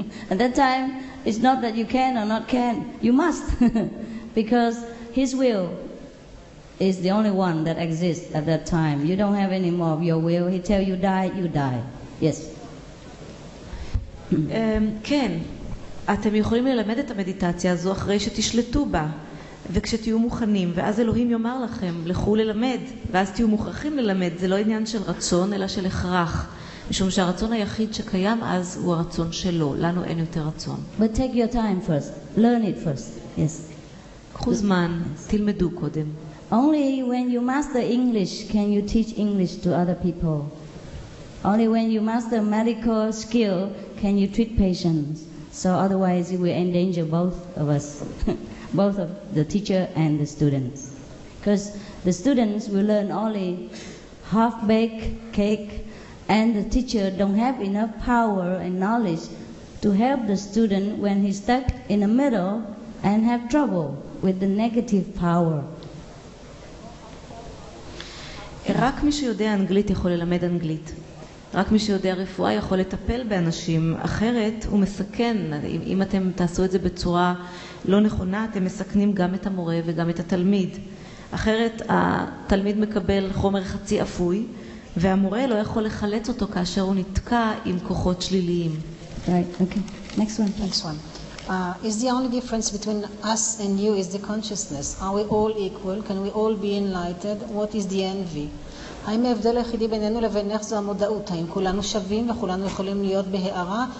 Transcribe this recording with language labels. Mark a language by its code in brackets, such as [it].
[en] At that time, it's not that you can or not can, you must. Because His will is the only one that exists at that time. You don't have any more of your will. He tell you die, you die. Yes. [he] כן, אתם יכולים ללמד את המדיטציה הזו אחרי שתשלטו בה, וכשתהיו מוכנים, ואז אלוהים יאמר לכם, לכו ללמד, ואז תהיו מוכרחים ללמד. זה לא עניין של רצון, אלא של הכרח. משום שהרצון היחיד שקיים אז הוא הרצון שלו. לנו אין יותר רצון. [en] But take your time first. Learn it first. Yes. [he] קחו זמן, תלמדו קודם. [en] Only when you master English can you teach English to other people. Only when you master medical skill can you treat patients. So otherwise you will endanger both of us, both of the teacher and the students. Because the students will learn only half-baked cake and the teacher don't have enough power and knowledge to help the student when he's stuck in the middle and have trouble with the negative power. [he] רק מי שיודע אנגלית יכול ללמד אנגלית. רק מי שיודע רפואה יכול לטפל באנשים. אחרת הוא מסכן. אם אתם תעשו את זה בצורה לא נכונה, אתם מסכנים גם את המורה וגם את התלמיד. אחרת התלמיד מקבל חומר חצי אפוי, והמורה לא יכול לחלץ אותו כאשר הוא נתקע עם כוחות שליליים. [en] Right, okay. Next one. Is the only difference between us and you is the consciousness? Are we all equal? Can we all be enlightened? What is the envy? [he] האם ההבדל היחידי בינינו לבינך זו המודעות? האם כולנו שווים וכולנו יכולים להיות בהערה?